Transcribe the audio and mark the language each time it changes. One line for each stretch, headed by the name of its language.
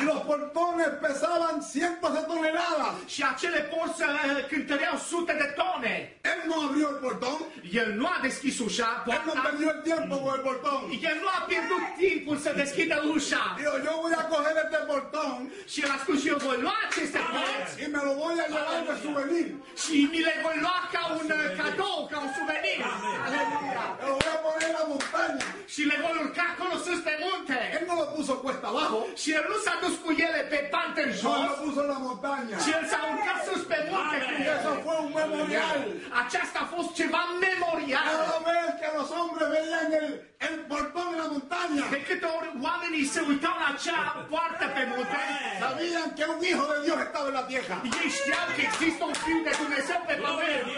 Spanish: Y los portones pesaban cientos de toneladas.
Romanian: Și acele porți cântăreau sute de tone.
Spanish: Él no abrió el portón.
Romanian: El nu a deschis ușa.
Spanish: Él no perdió el tiempo con el portón.
Romanian: El nu a pierdut timpul să deschidă ușa.
Spanish: Yo voy a coger este portón.
Romanian: Și el a spus, eu voi lua aceste porți.
Spanish: Y me lo voy a llevar de souvenir.
Romanian: Și mi le voi lua ca un cadou, ca un souvenir. Aleluia.
Spanish: Lo voy a poner la montaña.
Romanian: Și le voi urca acolo sus pe munte.
Spanish: Él no lo puso cuesta abajo.
Romanian: Și el nu s-a dus cu ele pe pante în jos.
Spanish: No lo puso en la montaña.
Romanian: Și el s-a urcat sus pe munte.
Spanish: Y eso fue un memorial.
Romanian: Aceasta a fost ceva memorial.
Spanish: Cada vez que los hombres veían el portón en la montaña.
Romanian: De câte ori oamenii se uitau la acea poartă pe munte.
Spanish: Sabían que un hijo de Dios estaba en la tierra.
Romanian: Y știau că există un fiu de Dumnezeu pe pământ.